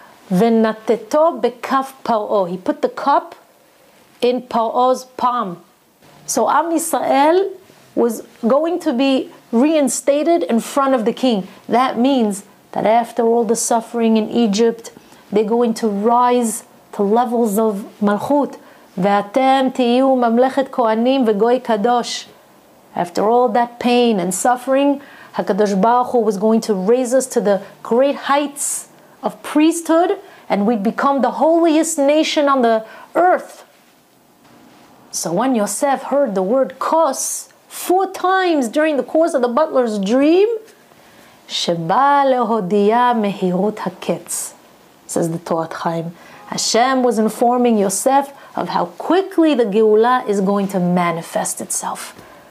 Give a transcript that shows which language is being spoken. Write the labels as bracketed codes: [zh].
[he] Venateto bekaf Paro. [en] He put the cup in Paro's palm. So Am Yisrael was going to be reinstated in front of the king. That means that after all the suffering in Egypt, they're going to rise to levels of Malchut. [he] ואתם תהיו ממלכת כהנים וגוי קדוש. [en] After all that pain and suffering, HaKadosh Baruch Hu was going to raise us to the great heights of priesthood and we'd become the holiest nation on the earth. So when Yosef heard the word kos 4 times during the course of the butler's dream, [he] Sheba lehodiya mehirut haketz, [en] says the Torah Chaim, Hashem was informing Yosef of how quickly the Geula is going to manifest itself.